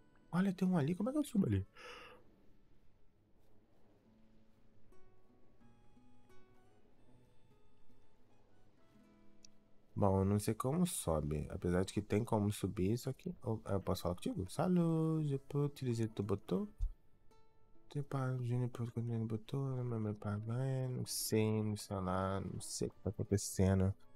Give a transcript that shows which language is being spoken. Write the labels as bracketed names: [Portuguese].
[Portuguese] Olha, tem um ali. Como é que eu subo ali? Bom, eu não sei como sobe. Apesar de que tem como subir isso aqui. Eu posso falar contigo? [French] Salut, je peux utiliser ton bouton? [Portuguese] Tem pá, Júnior, por que ele botou? Meu pai, não sei, não sei lá, não sei o que tá acontecendo.